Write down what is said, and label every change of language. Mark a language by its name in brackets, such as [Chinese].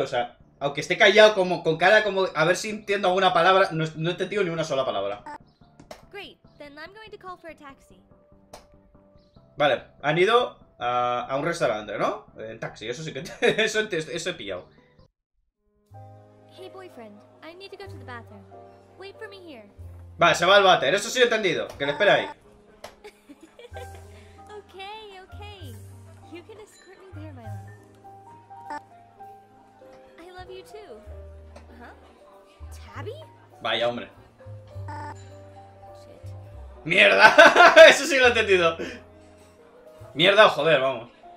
[Spanish] O sea, aunque esté callado como con cara como a ver si entiendo alguna palabra, no entiendo ni una sola palabra. [English] Great, then I'm going to call for a taxi. [Spanish] Vale, han ido a un restaurante, ¿no? En taxi, eso sí que eso he pillado. [English] Hey boyfriend, I need to go to the bathroom. Wait for me here. [Spanish] Vale, se va al váter, eso sí he entendido. Que le espera ahí. [English] Okay. You can escort me there, my love. I love you too. Huh? Tabby? [Spanish] Vaya hombre. Shit. Mierda. Eso sí lo he entendido. Mierda o joder, vamos.